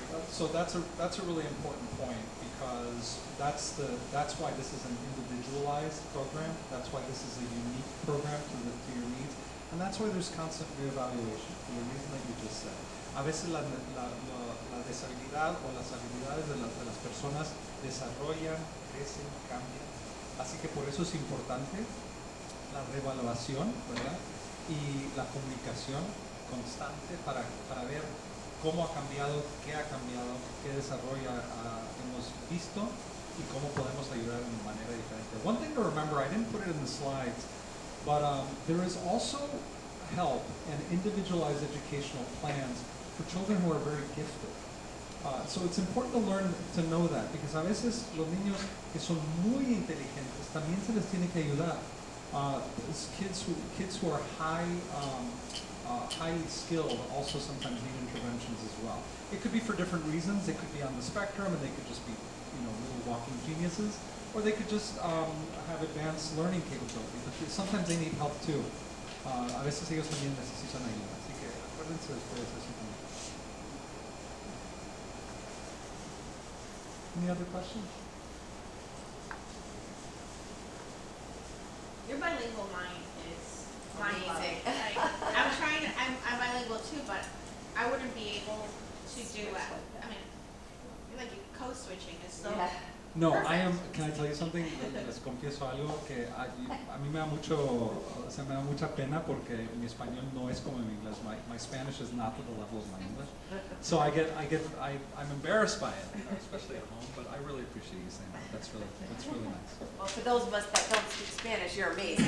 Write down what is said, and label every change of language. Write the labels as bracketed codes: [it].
[en] So that's a really important point, because that's why this is an individualized program. That's why this is a unique program to your needs. And that's why there's constant reevaluation, for the reason that you just said. [es] A veces la deshabilidad o las habilidades de las personas desarrollan, crecen, cambian. Así que por eso es importante la reevaluación, ¿verdad? Y la comunicación constante para ver cómo ha cambiado, qué ha cambiado, qué desarrollo hemos visto, y cómo podemos ayudar de manera diferente. [en] One thing to remember, I didn't put it in the slides, but there is also help and individualized educational plans for children who are very gifted. So it's important to learn to know that, because [es] a veces los niños que son muy inteligentes también se les tiene que ayudar. [en] Kids who are high highly skilled also sometimes need interventions as well. It could be for different reasons. It could be on the spectrum, and they could just be, you know, little walking geniuses, or they could just have advanced learning capability. But sometimes they need help too. [es] A veces ellos también necesitan ayuda. Así que acuérdense después de eso. [en] Any other questions? Your bilingual mind is amazing. Like, I'm trying to, I'm bilingual too, but I wouldn't be able to do it. I mean, you're like code switching is so. Yeah. No, I am. Can I tell you something? [es] Les confieso algo que a mí me da mucho, se me da mucha pena porque mi español no es como mi inglés. [en] My Spanish is not at the level of my English. So I'm embarrassed by it, especially at home. But I really appreciate you saying that. That's really nice. Well, for those of us that don't speak Spanish, you're amazing.